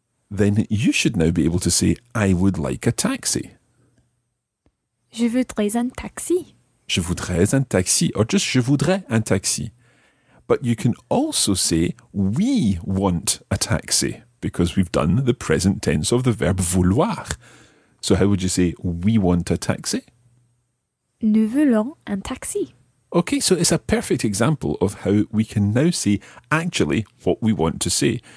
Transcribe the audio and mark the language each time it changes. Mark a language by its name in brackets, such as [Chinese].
[English] then you should now be able to say, I would like a taxi. [French] Je voudrais un taxi. Je voudrais un taxi, [English] or just [French] je voudrais un taxi. [English] But you can also say, we want a taxi, because we've done the present tense of the verb vouloir. So how would you say, we want a taxi? [French] Nous voulons un taxi. [English] Okay, so it's a perfect example of how we can now say actually what we want to say.